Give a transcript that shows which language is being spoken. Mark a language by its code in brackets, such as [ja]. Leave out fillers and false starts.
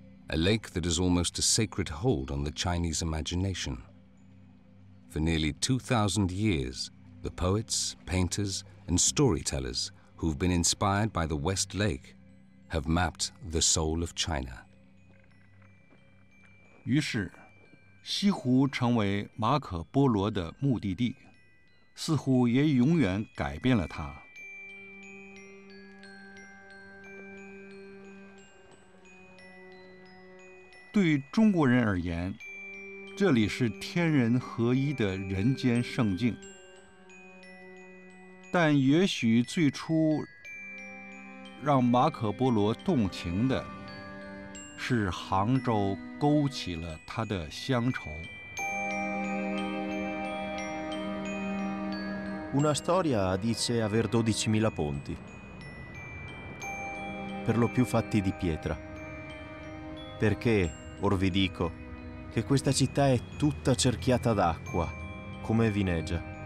[en] A lake that is almost a sacred hold on the Chinese imagination. For nearly 2,000 years, the poets, painters, and storytellers who've been inspired by the West Lake have mapped the soul of China. [zh] 于是，西湖成为马可波罗的目的地，似乎也永远改变了他。对中国人而言，这里是天人合一的人间圣境。但也许最初让马可波罗动情的，是杭州勾起了他的乡愁。 [it] Una storia dice aver 12.000 ponti, per lo più fatti di pietra. Perché, or vi dico, che questa città è tutta cerchiata d'acqua, come vineggia.